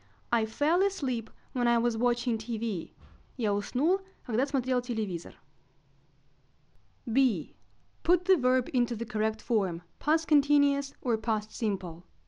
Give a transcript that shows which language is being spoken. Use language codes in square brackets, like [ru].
[en] I fell asleep when I was watching TV. [ru] Я уснул, когда смотрел телевизор. [en] B. Put the verb into the correct form, past continuous or past simple.